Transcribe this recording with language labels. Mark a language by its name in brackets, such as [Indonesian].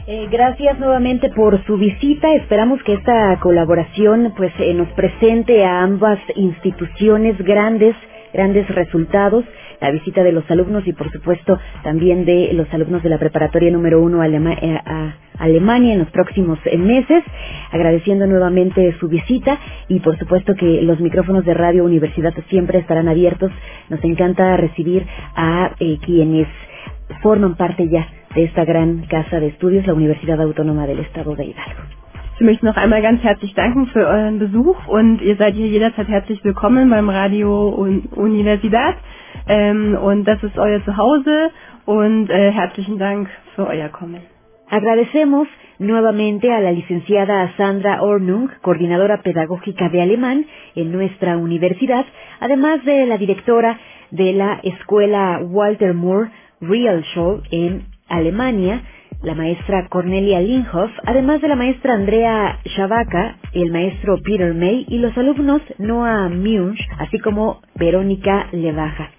[Spanish] Gracias nuevamente por su visita. Esperamos que esta colaboración pues nos presente a ambas instituciones grandes resultados, la visita de los alumnos y por supuesto también de los alumnos de la preparatoria número 1 a Alemania en los próximos meses. Agradeciendo nuevamente su visita y por supuesto que los micrófonos de Radio Universidad siempre estarán abiertos. Nos encanta recibir a quienes forman parte ya de esta gran casa de estudios, la Universidad Autónoma del Estado de Hidalgo. [German] Ich möchte noch einmal ganz herzlich danken für euren Besuch und ihr seid hier jederzeit herzlich willkommen beim Radio Universidad und das ist euer Zuhause und herzlichen Dank für euer Kommen. [Spanish] Agradecemos nuevamente a la licenciada Sandra Ornung, coordinadora pedagógica de alemán en nuestra universidad, además de la directora de la escuela Walter Moore Realschule en Alemania, la maestra Cornelia Linhoff, además de la maestra Andrea Schabaka, el maestro Peter May y los alumnos Noah Munch, así como Verónica Levaja.